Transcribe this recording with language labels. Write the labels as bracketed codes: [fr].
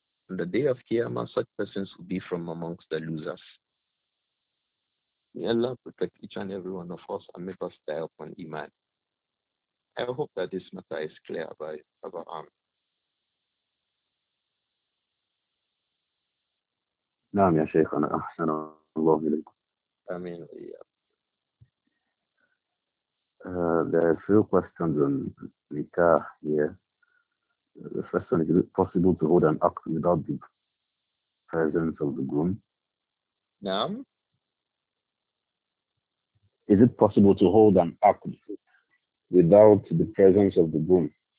[en] On the day of Qiyamah, such persons will be from amongst the losers. May Allah protect each and every one of us and make us die upon Iman. I hope that this matter is clear about Amin. [ar] نعم يا شيخنا أحسن الله إليكم. آمين. [en] There are a few questions on nikah here. The first one, is it possible to hold an act without the presence of the groom? [ar] نعم. [en] Is it possible to hold an act without the presence of the groom?